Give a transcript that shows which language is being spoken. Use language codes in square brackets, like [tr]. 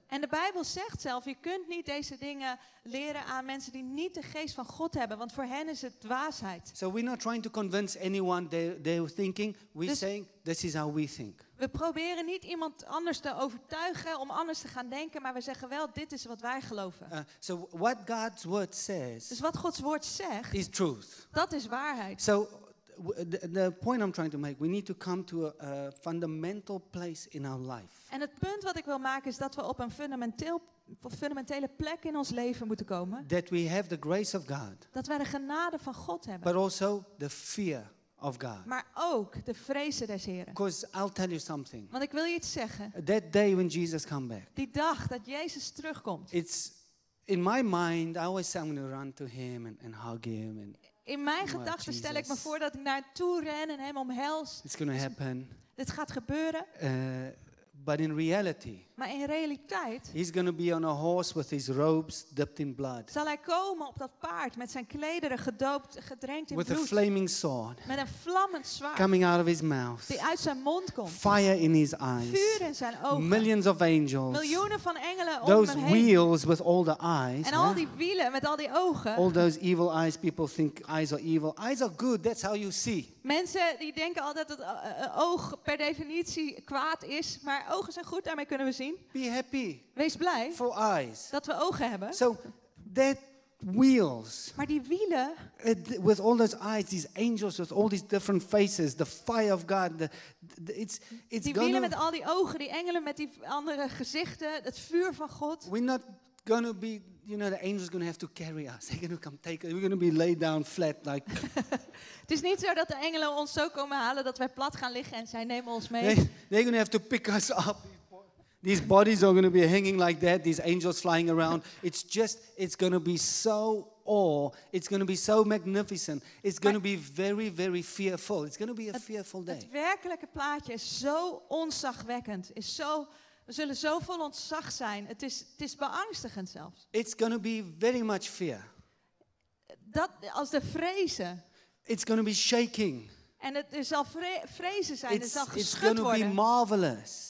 [nl] En de Bijbel zegt zelf, je kunt niet deze dingen leren aan mensen die niet de geest van God hebben, want voor hen is het dwaasheid. [en] So we're not trying to convince anyone they're thinking. We're saying this is how we think. [nl] We proberen niet iemand anders te overtuigen om anders te gaan denken, maar we zeggen wel, dit is wat wij geloven. [en] So what God's word says. [nl] Dus wat Gods woord zegt. [en] Is truth. [nl] Dat is waarheid. [en] So the point I'm trying to make, we need to come to a fundamental place in our life. [nl] En het punt wat ik wil maken is dat we op een fundamentele plek in ons leven moeten komen. [en] That we have the grace of God. [nl] Dat wij de genade van God hebben. [en] But also the fear of God. [nl] Maar ook de vrezen des Heren. [en] Because I'll tell you something. [nl] Want ik wil je iets zeggen. [en] That day when Jesus come back. [nl] Die dag dat Jezus terugkomt. [en] It's in my mind, I always say I'm going to run to him and hug him and. [nl] In mijn gedachten stel ik me voor dat ik naartoe ren en hem omhels. [en] It's gonna happen. [nl] Het gaat gebeuren. [en] But in reality. [nl] Maar in realiteit. [en] He's gonna be on a horse with his robes dipped in blood. [nl] Zal hij komen op dat paard met zijn klederen gedoopt, gedrenkt in [en] with [nl] bloed. [en] With a flaming sword. [nl] Met een vlammend zwaard. [en] Coming out of his mouth. [nl] Die uit zijn mond komt. [en] Fire in his eyes. [nl] Vuur in zijn ogen. [en] Millions of angels. [nl] Miljoenen van engelen om [en] those [nl] hem heen. [en] Wheels with all the eyes. [nl] En al die wielen met al die ogen. [en] All those evil eyes, people think eyes are evil. Eyes are good. That's how you see. [nl] Mensen die denken altijd dat het oog per definitie kwaad is, maar ogen zijn goed, daarmee kunnen we zien. [en] Be happy. [nl] Wees blij. [en] For eyes. [nl] Dat we ogen hebben. [en] So that wheels. [nl] Maar die wielen. [en] With all those eyes, these angels with all these different faces, the fire of God, it's [nl] die wielen met al die ogen, die engelen met die andere gezichten, het vuur van God. [en] We're not gonna be, you know, the angels gonna have to carry us. They're gonna come take us. We're gonna be laid down flat like. [nl] Het is niet zo dat de engelen ons zo komen halen dat wij plat gaan liggen en zij nemen ons mee. [en] They're gonna have to pick us up. These bodies are gonna be hanging like that. These angels flying around. It's gonna be so awe. It's gonna be so magnificent. It's gonna be very, very fearful. It's gonna be a fearful day. [nl] Het werkelijke plaatje is zo onzagwekkend. Is zo. We zullen zo vol ontzag zijn. Het is beangstigend zelfs. [en] It's gonna be very much fear. [nl] Dat als de vrezen. [en] It's going to be shaking. [nl] En het zal vrezen zijn. [en] It's, [nl] het zal geschud worden. [en] It's going to be marvelous.